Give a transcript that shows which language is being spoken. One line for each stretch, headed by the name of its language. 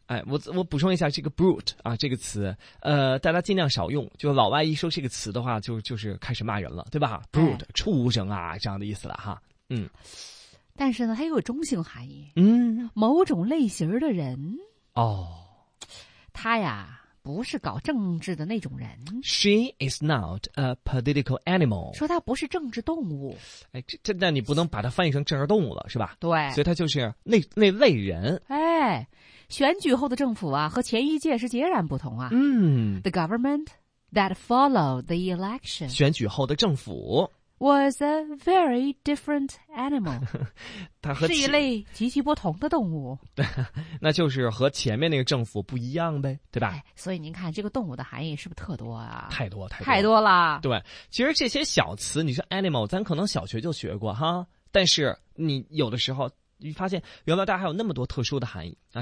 Chinese: 哎，我补充一下这个 brute 啊这个词，大家尽量少用，就老外一说这个词的话，就是开始骂人了，对吧 ？brute、哎、畜生啊这样的意思了哈，嗯。但是呢，它有中性含义，嗯，某种类型的人哦。他呀不是搞政治的那种人。
English: She is not a political animal.
Chinese: 说他不是政治动物。哎这那你不能把他翻译成政治动物了是吧？对。所以他就是那类人。哎选举后的政府啊和前一届是截然不同啊。嗯。
English: The government that followed the election.
Chinese: 选举后的政府。
English: Was a very different animal.
Chinese: 它和是一类极其不同的动物。那就是和前面那个政府不一样呗，对吧？哎、所以您看，这个动物的含义是不是特多啊？太多，太多，太多了。对，其实这些小词，你说 animal， 咱可能小学就学过哈。但是你有的时候，你发现原来大家还有那么多特殊的含义啊！